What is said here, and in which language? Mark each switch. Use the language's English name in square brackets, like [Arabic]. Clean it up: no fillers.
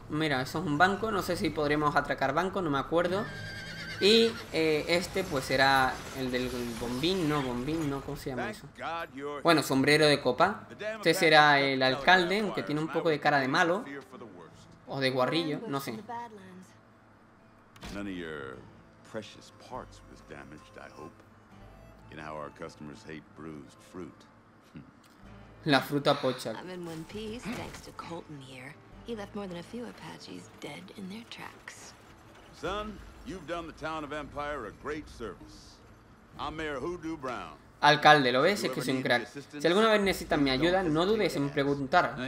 [Spanish] Mira, eso es un banco. No sé si podremos atracar banco, no me acuerdo. Y este pues será el del bombín, no bombín, no, ¿cómo se llama eso? Bueno, sombrero de copa. Este será el alcalde, aunque tiene un poco de cara de malo. O de guarrillo, no sé. [English] None of your precious parts was damaged, I hope. You know how our customers hate bruised fruit. [Spanish] La fruta pocha. [English] I'm in one piece, thanks to Colton here. He left more than a few Apaches dead in their tracks. Son. You've done the town of Empire a great service. I'm Mayor Hoodoo Brown. [Spanish] Alcalde, ¿lo ves? Es que soy un crack. Si alguna vez necesitas mi ayuda, no dudes en preguntar.